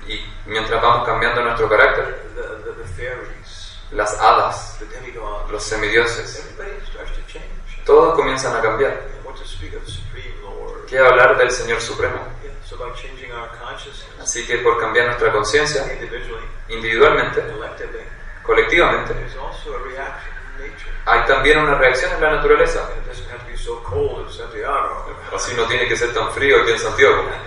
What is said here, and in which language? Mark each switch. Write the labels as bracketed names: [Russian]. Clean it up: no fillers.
[Spanish] y mientras vamos cambiando nuestro carácter, [English] the fairies, [Spanish] las hadas, [English] the demigods, [Spanish] los semidioses, [English] everybody starts to change. [Spanish] Todos comienzan a cambiar. [English] Yeah. What to speak of the Supreme Lord. [Spanish] ¿Qué hablar del Señor Supremo? [English] Yeah. So by changing our consciousness, [Spanish] así que por cambiar nuestra conciencia individualmente, colectivamente, [English] there's also a reaction. [Spanish] Hay también una reacción en la naturaleza. [English] It doesn't have to be so cold in Santiago. [Spanish] Así no tiene que ser tan frío aquí en Santiago.